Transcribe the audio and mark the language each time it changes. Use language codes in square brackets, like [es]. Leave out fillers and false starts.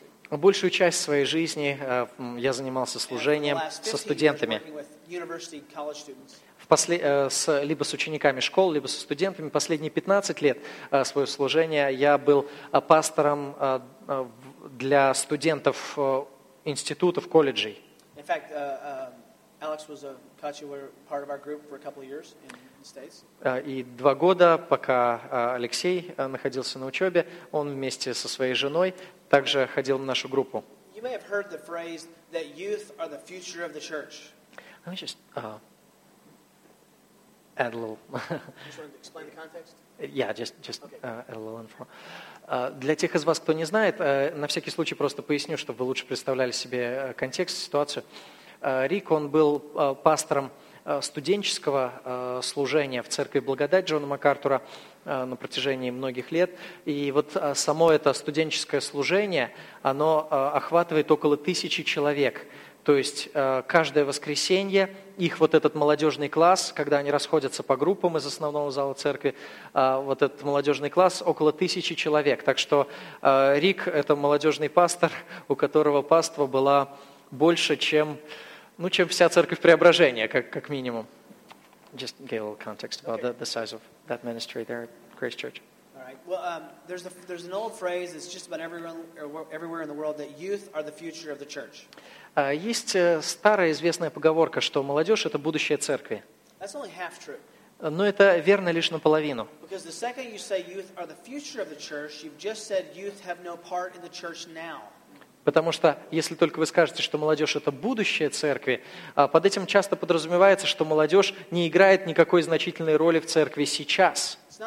[ru] Большую часть своей жизни я занимался служением со студентами. Либо с учениками школ, либо со студентами. Последние 15 лет свое служение я был пастором для студентов институтов, колледжей. [en] In fact, Alex was a Kachiwer part of our group for a couple of years in the States. [ru] И два года, пока Алексей находился на учебе, он вместе со своей женой также ходил в нашу группу. [en] You may have heard the phrase that youth are the future of the church. Let me just add a little. Just wanted to explain the context. Yeah, just okay. A little info. [ru] Для тех из вас, кто не знает, на всякий случай просто поясню, чтобы вы лучше представляли себе контекст, ситуацию. Рик, он был пастором студенческого служения в Церкви Благодать Джона МакАртура на протяжении многих лет. И вот само это студенческое служение, оно охватывает около 1000 человек. То есть каждое воскресенье их вот этот молодежный класс, когда они расходятся по группам из основного зала церкви, вот этот молодежный класс около 1000 человек. Так что Рик – это молодежный пастор, у которого паства была больше, чем, ну, чем вся церковь Преображения, как минимум. [en] Just give a little context about the size of that ministry there at Grace Church. Well, there's an old phrase that's just about everywhere in the world that youth are the future of the church. [ru] Есть старая известная поговорка, что молодежь это будущее церкви. [en] That's only half true. [ru] Но это верно лишь наполовину. [en] Because the second you say youth are the future of the church, you've just said youth have no part in the church now. [ru] Потому что, если только вы скажете, что молодежь – это будущее церкви, под этим часто подразумевается, что молодежь не играет никакой значительной роли в церкви сейчас.